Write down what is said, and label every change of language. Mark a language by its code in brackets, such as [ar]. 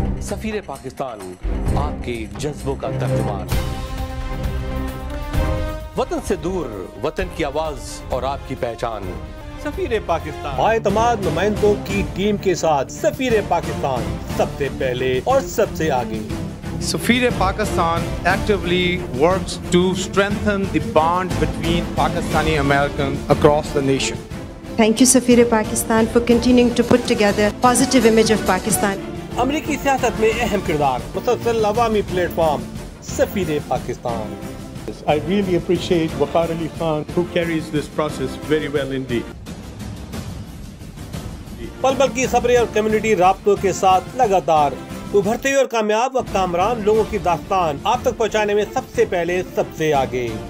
[ur] سفیر پاکستان آپ کے جذبوں کا ترجمان وطن سے دور وطن کی آواز اور آپ کی پہچان سفیر پاکستان با اعتماد نمائندوں کی ٹیم کے ساتھ سفیر پاکستان سب سے پہلے اور سب سے آگے [en] سفیر Pakistan actually works to strengthen the bond between Pakistani American across the nation Thank you, Safir Pakistan, for continuing to put together a positive image of Pakistan. [ur] امریکی سیاست میں اہم کردار مسلسل عوامی پلیٹ فارم سفیر Pakistan [en] I really appreciate Waqar Ali Khan who carries this process very well indeed. [ur] پل پل کی صبری اور کمیونٹی رابطوں کے ساتھ لگاتار ابھرتے ہوئے اور کامیاب و کامران لوگوں کی داستان آپ تک پہنچانے میں سب سے پہلے سب سے آگے